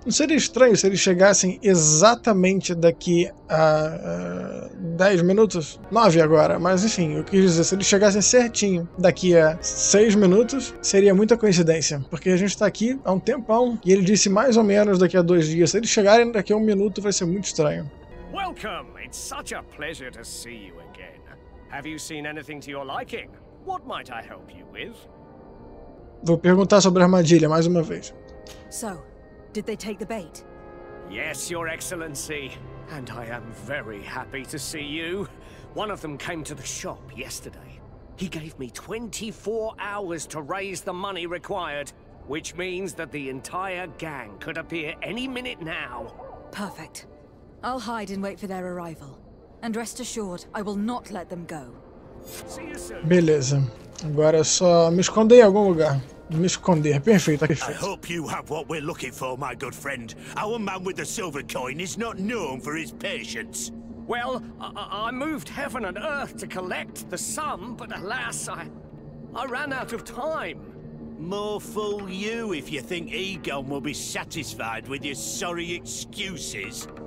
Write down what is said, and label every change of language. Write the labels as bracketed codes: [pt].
[pt] Não seria estranho se eles chegassem exatamente daqui a 10 minutos? 9 agora. Mas enfim, eu quis dizer, se eles chegassem certinho daqui a 6 minutos, seria muita coincidência. Porque a gente tá aqui há um tempão e ele disse mais ou menos daqui a 2 dias. Se eles chegarem daqui a 1 minuto, vai ser muito estranho. [en] Welcome! It's such a pleasure to see you again. Have you seen anything to your liking? What might I help you with? [pt] Vou perguntar sobre a armadilha mais uma vez. [en] So, did they take the bait? Yes, Your Excellency. And I am very happy to see you. One of them came to the shop yesterday. He gave me 24 hours to raise the money required, which means that the entire gang could appear any minute now. Perfect. I'll hide and wait for their arrival. And rest assured, I will not let them go. [pt] Beleza. Agora é só me esconder em algum lugar. Me esconder. Perfeito, aqui. [en] I hope you have what we're looking for, my good friend. Our man with the silver coin is not known for his patience. Well, I moved heaven and earth to collect the sum, but alas, I ran out of time. More fool you if you think Egon will be satisfied with your sorry excuses.